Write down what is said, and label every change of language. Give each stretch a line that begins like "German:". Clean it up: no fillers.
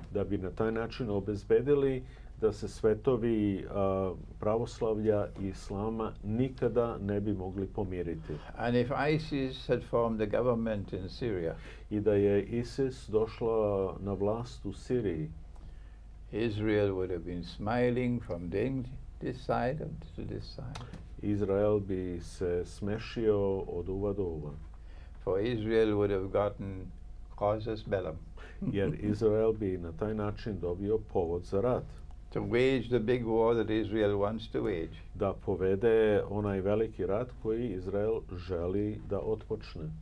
Serbian: Da bi na taj način obezbedili da se svetovi pravoslavlja i islama nikada ne bi mogli pomiriti.
English: And if ISIS had formed a government in Syria,
Serbian: i da je ISIS došla na vlast u Siriji,
English: Israel would have been smiling from this side to this side.
Serbian: Izrael bi se smešio od uva do uva.
English: For Israel would have gotten causes bellum.
Serbian: Jer Izrael bi na taj način dobio povod za rat.
English: To wage the big war that Israel wants to wage.
Serbian: Da povede onaj veliki rat koji Izrael želi da otpočne.